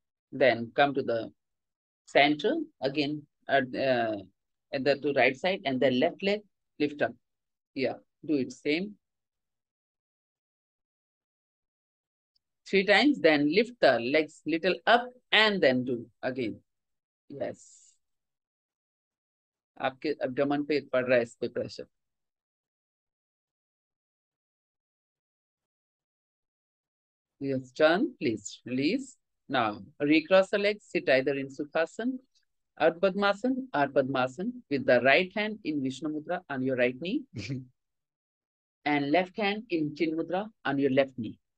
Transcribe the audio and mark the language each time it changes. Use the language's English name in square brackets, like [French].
[English] Then come to the center again at the right side and then left leg lift up. Yeah, do it same. Three times, then lift the legs little up and then do again. Yes. [Hindi] आपके abdomen पे पड़ रहा है इस पे pressure. [English] Yes, turn, please release. Now, recross the legs, sit either in Sukhasana, Ardha Padmasana, or Padmasana with the right hand in Vishnu Mudra on your right knee and left hand in Chin Mudra on your left knee.